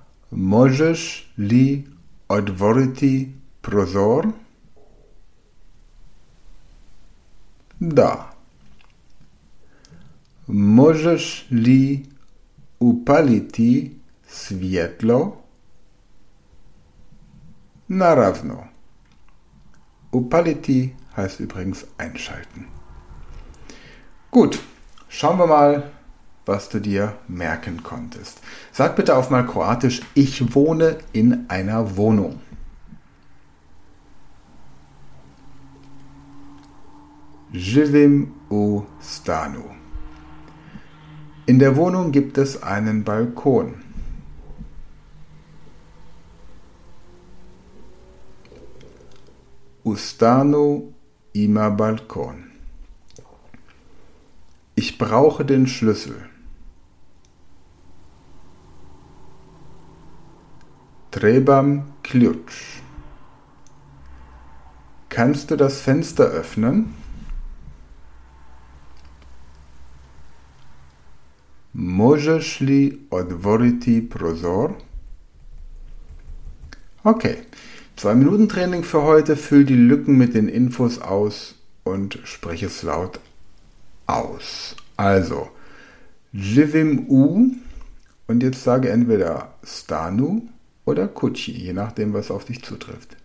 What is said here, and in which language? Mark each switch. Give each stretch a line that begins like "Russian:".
Croatian: Možeš li otvoriti prozor? Da. Možeš li upaliti svjetlo? Naravno.
German: Upality heißt übrigens einschalten. Gut, schauen wir mal, was du dir merken konntest. Sag bitte auf mal Kroatisch, ich wohne in einer Wohnung.
Croatian: Živim u stanu.
German: In der Wohnung gibt es einen Balkon.
Croatian: U stanu ima balkon.
German: Ich brauche den Schlüssel.
Croatian: Trebam ključ.
German: Kannst du das Fenster öffnen?
Croatian: Možeš li otvoriti prozor?
German: Okay, 2 Minuten Training für heute. Füll die Lücken mit den Infos aus und spreche es laut aus. Also,
Croatian: živim u,
German: und jetzt sage entweder stanu oder kuči, je nachdem, was auf dich zutrifft.